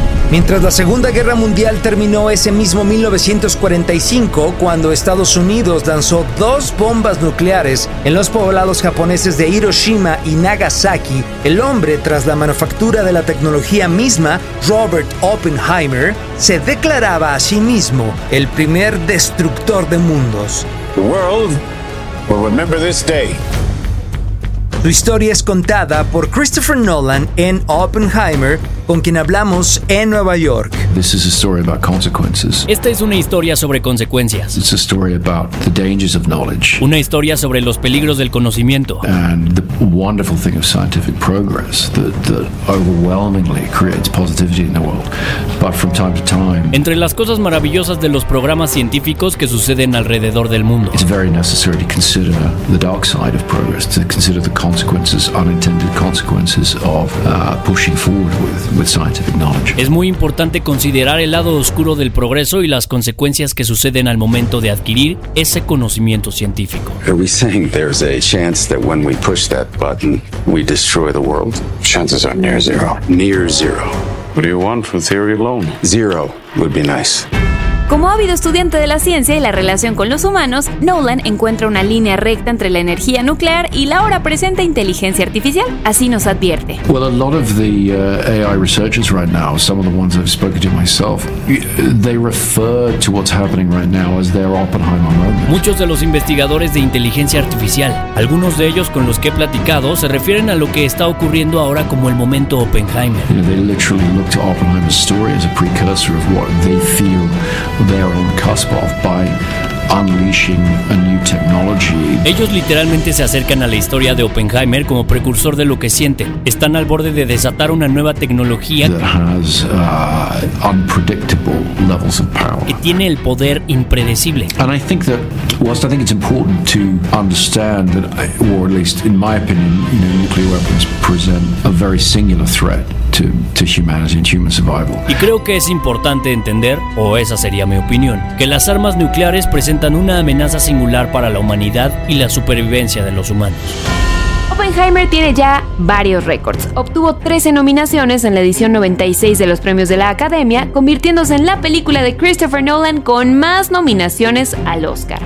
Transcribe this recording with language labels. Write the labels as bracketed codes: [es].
[es] Mientras la Segunda Guerra Mundial terminó ese mismo 1945, cuando Estados Unidos lanzó 2 bombas nucleares en los poblados japoneses de Hiroshima y Nagasaki, el hombre tras la manufactura de la tecnología misma, Robert Oppenheimer, se declaraba a sí mismo el primer destructor de mundos. [en] The world will remember this day. [es] Su historia es contada por Christopher Nolan en Oppenheimer, con quien hablamos en Nueva York. [en] This is a story about consequences. [es] Esta es una historia sobre consecuencias. [en] It's a story about the dangers of knowledge. [es] Una historia sobre los peligros del conocimiento. [en] And the wonderful thing of scientific progress that overwhelmingly creates positivity in the world. But from time to time. [es] Entre las cosas maravillosas de los programas científicos que suceden alrededor del mundo. [en] It's very necessary to consider the dark side of progress, to consider the consequences, unintended consequences of pushing forward with. with scientific knowledge. [es] Es muy importante considerar el lado oscuro del progreso y las consecuencias que suceden al momento de adquirir ese conocimiento científico. [en] Are we saying there's a chance that when we push that button, we destroy the world? Chances are near zero. Near zero. What do you want from theory alone? Zero would be nice. [es] Como ávido estudiante de la ciencia y la relación con los humanos, Nolan encuentra una línea recta entre la energía nuclear y la ahora presente inteligencia artificial. Así nos advierte. [en] Well, a lot of the AI researchers right now, some of the ones I've spoken to myself, they refer to what's happening right now as their Oppenheimer moment. [es] Muchos de los investigadores de inteligencia artificial, algunos de ellos con los que he platicado, se refieren a lo que está ocurriendo ahora como el momento Oppenheimer. [en] You know, they literally look to Oppenheimer's story as a precursor of what they feel they are on the cusp of by unleashing a new technology. [es] Ellos literalmente se acercan a la historia de Oppenheimer como precursor de lo que sienten. Están al borde de desatar una nueva tecnología [en] that has, unpredictable levels of power. [es] Que tiene el poder impredecible. [en] And I think that, whilst I think it's important to understand that, or at least in my opinion, you know, nuclear weapons present a very singular threat to humanity and human survival. [es] Y creo que es importante entender, o esa sería mi opinión, que las armas nucleares presentan una amenaza singular para la humanidad y la supervivencia de los humanos. Oppenheimer tiene ya varios récords. Obtuvo 13 nominaciones en la edición 96 de los premios de la Academia, convirtiéndose en la película de Christopher Nolan con más nominaciones al Oscar.